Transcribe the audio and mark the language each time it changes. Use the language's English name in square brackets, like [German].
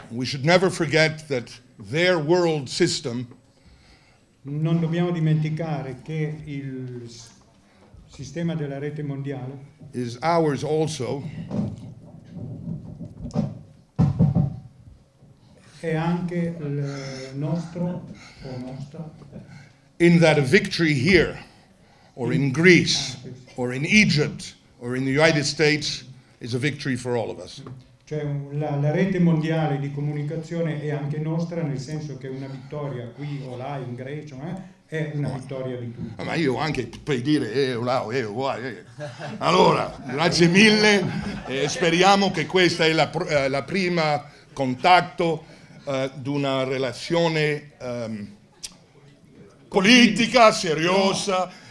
[English] We should never forget that their world system. [Italian] Non dobbiamo dimenticare che il sistema della rete mondiale [English] is ours also. [Italian] È anche il nostro o nostra. [English] In that a victory here, or in Greece, or in Egypt, or in the United States. Is a victory for all of us. [Italian] Cioè la rete mondiale di comunicazione è anche nostra, nel senso che una vittoria qui o là in Grecia è una vittoria di tutti. Ma io anche puoi dire là o qua. Allora, grazie mille. Speriamo che questa è la prima contatto d'una relazione politica seriosa.